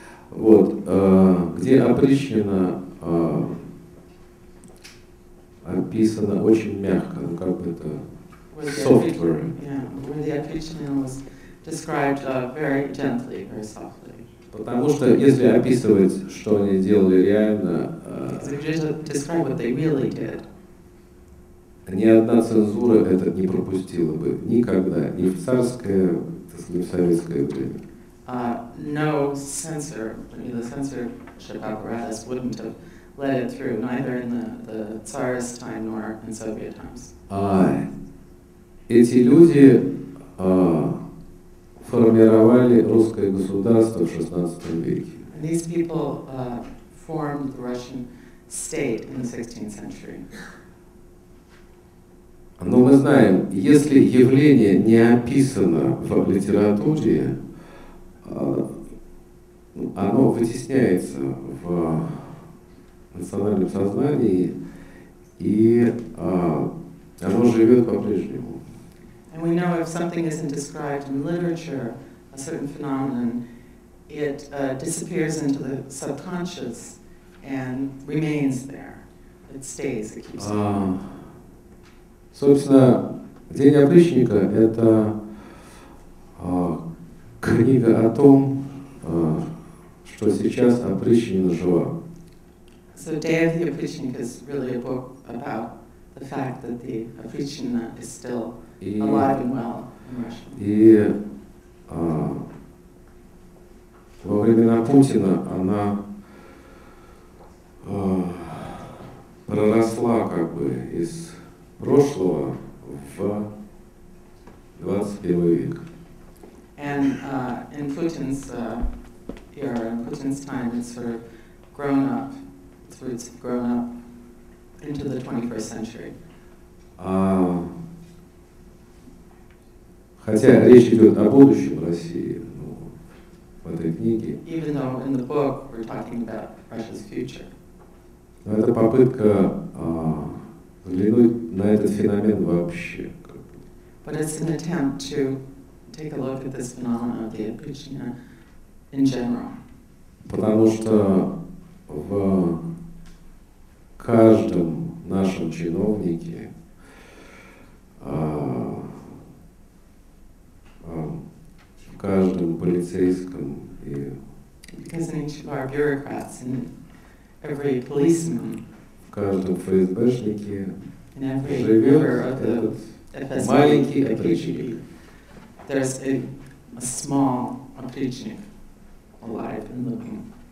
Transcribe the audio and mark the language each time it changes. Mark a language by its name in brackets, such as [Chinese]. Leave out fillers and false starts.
[Russian] Вот, где опричнина описана очень мягко, ну как бы это [English] softly. Yeah, where the opričnina was described very gently, very softly. [Russian] Потому что если описывать, что они делали реально, ни одна цензура это не пропустила бы никогда, ни в царское, ни в советское время. [English] No censor, the censorship apparatus wouldn't have let it through, neither in the Tsarist time nor in Soviet times. [Russian] Эти люди формировали русское государство в 16 веке. [English] And these people formed the Russian state in the 16th century. [Russian] Но мы знаем, если явление не описано в литературе, оно вытесняется в национальном сознании, и оно живет по-прежнему. [English] And we know if something isn't described in literature, a certain phenomenon, it disappears into the subconscious and remains there. It stays, it keeps going. [Russian] Собственно, День опричника — это книга о том, что сейчас опричнина жива. [English] So Day of the Opričnik is really a book about the fact that the opričnina is still alive and well in Russia. [Russian] И во времена Путина она проросла как бы из прошлого в 21 век. [English] And in Putin's era, in Putin's time, it's sort of grown up, it's grown up into the 21st century. [Russian] Хотя речь идет о будущем России, ну, в этой книге. [English] Even though in the book we're talking about Russia's future. [Russian] Но это попытка взглянуть на этот феномен вообще. [English] But it's an attempt to take a look at this phenomenon of the opričnina in general. [Russian] Потому что в каждом нашем чиновнике в каждом полицейском и... [English] Because in each of our bureaucrats, in every policeman, [Russian] в каждом ФСБшнике, [English] in every member of the FSB, [Russian] маленький опричник. [English] There's a small опричник alive and living.